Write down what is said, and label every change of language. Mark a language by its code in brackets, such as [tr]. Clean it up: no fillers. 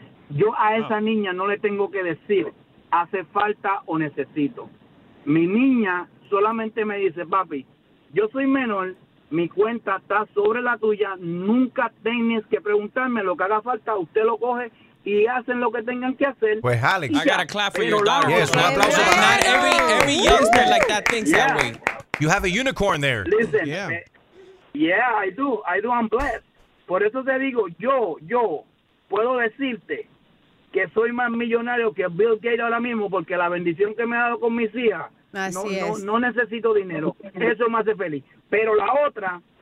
[es] Yo a esa niña no le tengo que decir, hace falta o necesito, mi niña solamente me dice, papi, yo soy menor, mi cuenta está sobre la tuya, nunca tienes que preguntarme lo que haga falta, usted lo coge y hacen lo que tengan que hacer. Pues Alex, [en] I gotta clap for your daughter. [es] Yes, un aplauso para [en] not every youngster like that thinks that way. You have a unicorn there. Listen, I do, I'm blessed. [es] Por eso te digo, yo puedo decirte que soy más millonario que Bill Gates ahora mismo porque la bendición que me ha dado con mis hijas. No necesito dinero, eso me hace feliz. Pero la otra